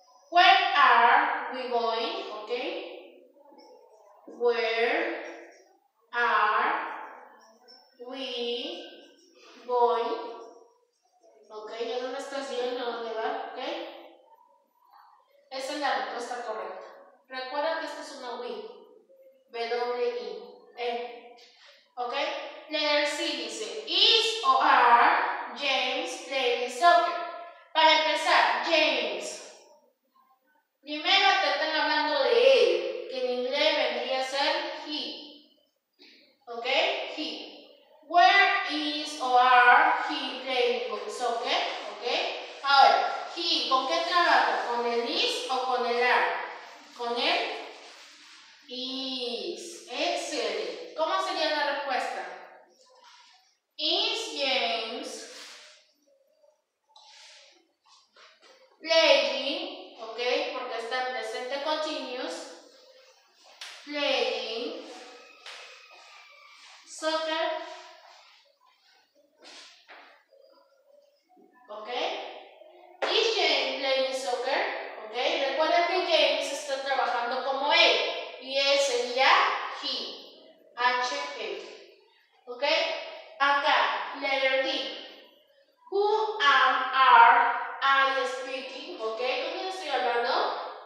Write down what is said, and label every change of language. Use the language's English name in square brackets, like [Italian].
[English] Where are we going, ¿ok? Where are we going, ok, [Spanish] ¿ya dónde estás yendo? ¿Dónde va? [English] ¿Ok? [Spanish] Esa es la respuesta correcta. Recuerda que esta es una we, W-I-E, ¿ok? [English] Letter C [Spanish] dice, [English] is o are James playing soccer? [Spanish] Para empezar, James, primero te están hablando de él, que en inglés vendría a ser he, ¿ok? [English] He. Where is or are he playing soccer? Okay, okay. [Spanish] Ahora, he, ¿con qué trabaja? ¿Con el is o con el are? Con el is. [English] Excellent. [Spanish] ¿Cómo sería la respuesta? [English] Is James playing, ok, [Spanish] porque está en presente [English] continuous, playing soccer? ¿Ok? Is James playing soccer? ¿Ok? [Spanish] Recuerda que James está trabajando como él. Y él sería he. H-E. ¿Ok? Acá, [English] letter D. Who am I speaking? ¿Ok? [Spanish] ¿Con quién estoy hablando?